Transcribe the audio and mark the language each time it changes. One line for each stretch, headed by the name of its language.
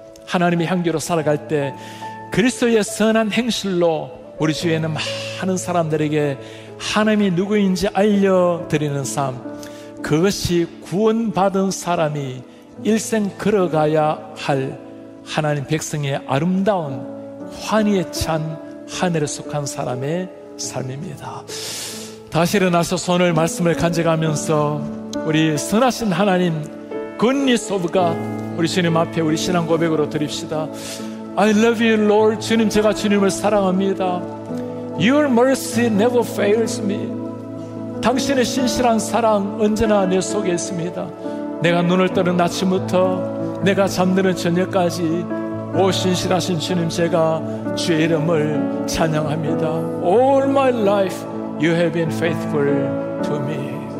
Korean: 하나님의 향기로 살아갈 때 그리스도의 선한 행실로 우리 주위에는 많은 사람들에게 하나님이 누구인지 알려드리는 삶, 그것이 구원받은 사람이 일생 걸어가야 할 하나님 백성의 아름다운 환희에 찬 하늘에 속한 사람의 삶입니다. 다시 일어나서 손을 말씀을 간직하면서 우리 선하신 하나님, goodness of God, 우리 주님 앞에 우리 신앙 고백으로 드립시다.
English: I love you, Lord.
Korean: 주님, 제가 주님을 사랑합니다.
English: Your mercy never fails me.
Korean: 당신의 신실한 사랑 언제나 내 속에 있습니다. 내가 눈을 뜨는 아침부터 내가 잠드는 저녁까지 오 신실하신 주님, 제가 주의 이름을 찬양합니다.
English: All my life you have been faithful to me.